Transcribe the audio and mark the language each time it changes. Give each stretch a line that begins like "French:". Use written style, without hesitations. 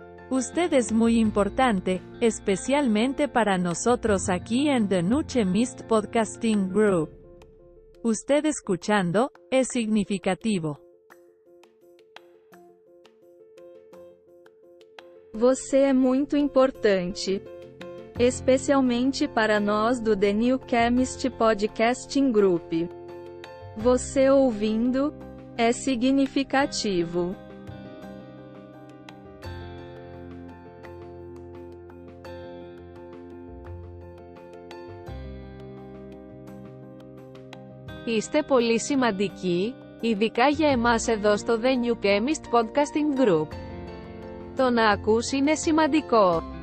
Spanish: Usted es muy importante, especialmente para nosotros aquí en The New Chemist Podcasting Group. Usted escuchando, es significativo.
Portuguese: Você é muito importante. Especialmente para nós do The New Chemist Podcasting Group. Você ouvindo, é significativo.
Greek: Είστε πολύ σημαντικοί, ειδικά για εμάς εδώ στο The New Chemist Podcasting Group. Το να ακούς είναι σημαντικό.